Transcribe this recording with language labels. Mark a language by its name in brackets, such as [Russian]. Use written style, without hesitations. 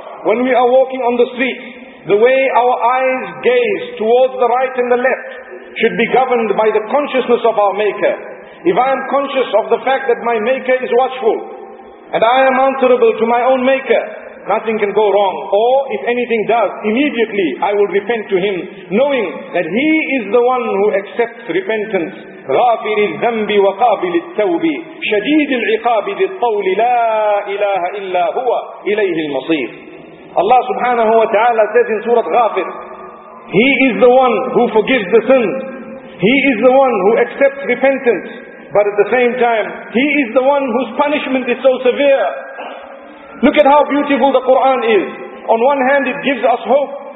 [English] When we are walking on the street, the way our eyes gaze towards the right and the left should be governed by the consciousness of our Maker. If I am conscious of the fact that my Maker is watchful and I am answerable to my own Maker, nothing can go wrong. Or if anything does, immediately I will repent to him, knowing that he is the one who accepts repentance. [Arabic] غافر الذنب وقابل التوب شديد العقاب ذي الطول لا إله إلا هو إليه المصير. [English] Allah subhanahu wa ta'ala says in Surah Ghafir, he is the one who forgives the sins. He is the one who accepts repentance. But at the same time, he is the one whose punishment is so severe. Look at how beautiful the Quran is. On one hand, it gives us hope.